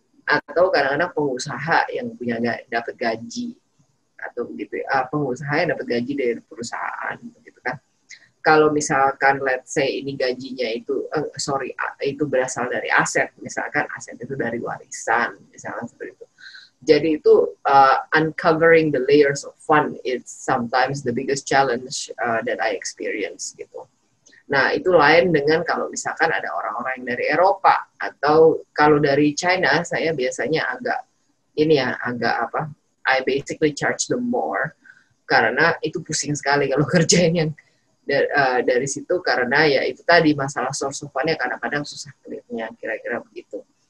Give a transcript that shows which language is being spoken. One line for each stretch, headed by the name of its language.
Indonesian: Atau kadang-kadang pengusaha yang punya dapat gaji. Atau gitu ya, pengusaha yang dapat gaji dari perusahaan gitu kan. Kalau misalkan
English: let's say
Indonesian: ini gajinya itu itu berasal dari aset, misalkan aset itu dari warisan, misalkan seperti itu. Jadi itu
English: uncovering the layers of fund is sometimes the biggest challenge that I experience gitu.
Indonesian: Nah, itu lain dengan kalau misalkan ada orang-orang yang dari Eropa atau kalau dari China, saya biasanya agak ini ya, agak apa,
English: I basically charge them more
Indonesian: karena itu pusing sekali kalau kerjain yang dari situ karena ya itu tadi masalah source of fund-nya kadang-kadang susah kelihatannya, kira-kira begitu.